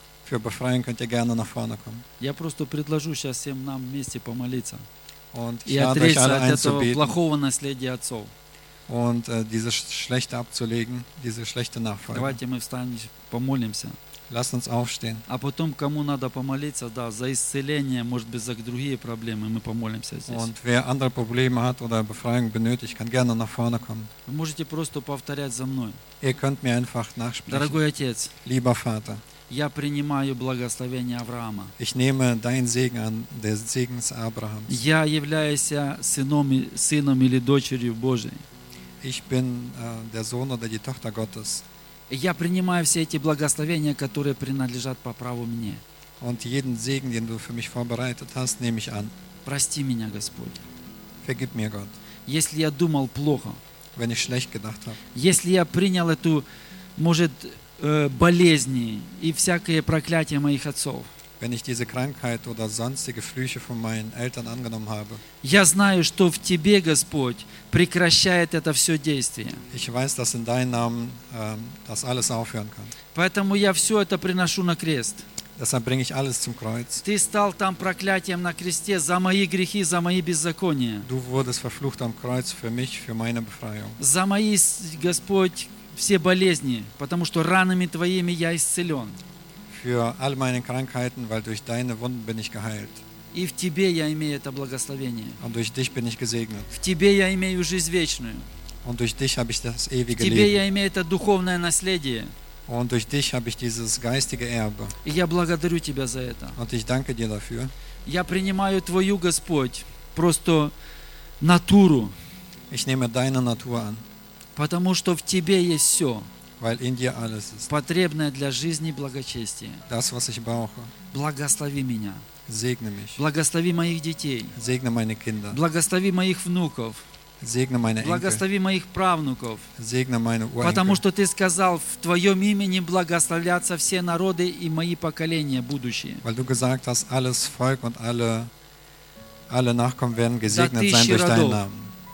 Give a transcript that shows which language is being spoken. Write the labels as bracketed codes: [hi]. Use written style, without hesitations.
[de] Für Befreiung könnt ihr gerne nach vorne kommen. [ru] Я просто предложу сейчас всем нам вместе помолиться. [de] Und [ru] и отречься от этого плохого наследия отцов. [de] Und diese schlechte abzulegen, diese schlechte Nachfolge. [ru] Давайте мы встанем, помолимся. [de] Lasst uns aufstehen. [ru] А потом, кому надо помолиться, да, за исцеление, может быть, за другие проблемы, мы помолимся здесь. [de] Und wer andere Probleme hat oder Befreiung benötigt, kann gerne nach vorne kommen. [ru] Вы можете просто повторять за мной. [de] Ihr könnt mir einfach nachsprechen. [ru] Дорогой отец. [de] Lieber Vater. [ru] Я принимаю благословение Авраама. [de] Ich nehme dein Segen an, der Segen Abrahams. [ru] Я являюсь сыном или дочерью Божией. [de] Ich bin der Sohn oder die Tochter Gottes. [ru] Я принимаю все эти благословения, которые принадлежат по праву мне. [de] Und jeden Segen, den du für mich vorbereitet hast, nehme ich an. [ru] Прости меня, Господь. [de] Vergib mir, Gott. [ru] Если я думал плохо, [de] wenn ich schlecht gedacht habe. [ru] Если я принял эту, может, болезни и всякие проклятия моих отцов. [de] Wenn ich diese Krankheit oder sonstige Flüche von meinen Eltern angenommen habe. [ru] Я знаю, что в тебе, Господь, прекращает это все действие. [de] Ich weiß, dass in deinem Namen das alles aufhören kann. [ru] Поэтому я все это приношу на крест. [de] Deshalb bringe ich alles zum Kreuz. [ru] Ты стал там проклятием на кресте за мои грехи, за мои беззакония. [de] Du wurdest verflucht am Kreuz für mich, für meine Befreiung. [ru] За мои, Господь, все болезни, потому что ранами твоими я исцелен. [de] Für all meine Krankheiten, weil durch deine Wunden bin ich geheilt. [ru] И в тебе я имею это благословение. [de] Und durch dich bin ich gesegnet. [ru] В тебе я имею жизнь вечную. [de] Und durch dich habe ich das ewige Leben. [ru] В тебе я имею это духовное наследие. [de] Und durch dich habe ich dieses geistige Erbe. [ru] И я благодарю тебя за это. [de] Und ich danke dir dafür. [ru] Я принимаю твою, Господь, просто натуру. [de] Ich nehme deine Natur an. [ru] Потому что в тебе есть все. [de] Weil in dir alles ist. [ru] Потребное для жизни благочестие. [de] Das, was ich brauche. [ru] Благослови меня. [de] Segne mich. [ru] Благослови моих детей. [de] Segne meine Kinder. [ru] Благослови моих внуков. [de] Segne meine Enkel. [ru] Благослови моих правнуков. [de] Segne meine Urenkel. [ru] Потому что ты сказал, в твоем имени благословлятся все народы и мои поколения будущие. [de] Weil du gesagt hast, alles Volk und alle Nachkommen werden gesegnet sein durch deinen Namen.